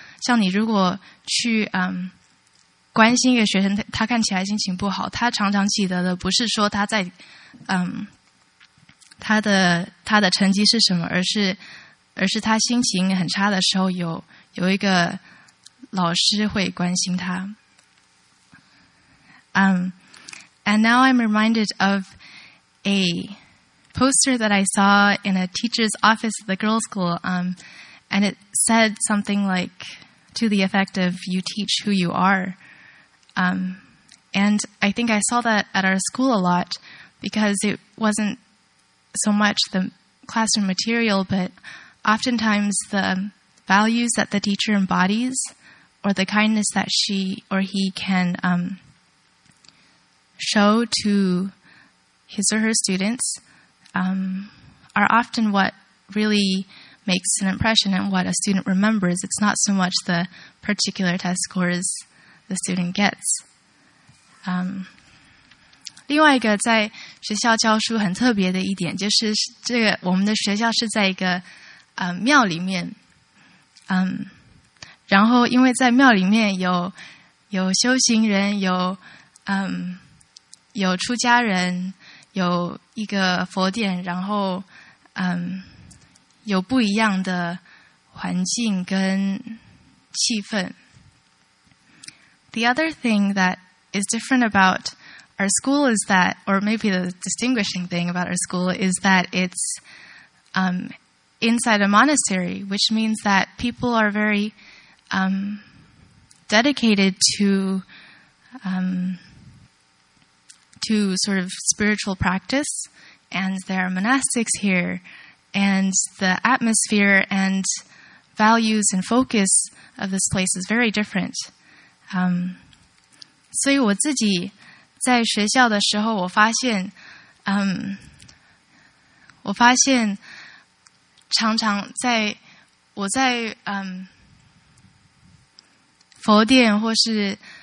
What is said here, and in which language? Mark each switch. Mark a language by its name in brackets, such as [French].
[Chinese] 像你如果去关心一个学生，他看起来心情不好，他常常记得的不是说他在他的成绩是什么，而是他心情很差的时候有一个老师会关心他。 [English] And now I'm reminded of a poster that I saw in a teacher's office at the girls' school, and it said something like, to the effect of, you teach who you are. And I think I saw that at our school a lot, because it wasn't so much the classroom material, but oftentimes the values that the teacher embodies, or the kindness that she or he can show to his or her students, are often what really makes an impression and what a student remembers. It's not so much the particular test scores the student gets. [Chinese] 另外一个在学校教书很特别的一点，就是这个我们的学校是在一个庙里面，然后因为在庙里面有修行人，有出家人，有一个佛殿，然后有不一样的环境跟气氛。 [English] The other thing that is different about our school is that, or maybe the distinguishing thing about our school is that it's inside a monastery, which means that people are very dedicated to sort of spiritual practice, and there are monastics here, and the atmosphere and values and focus of this place is very different. [Chinese] 所以我自己在学校的时候，我发现常常在我在佛殿或是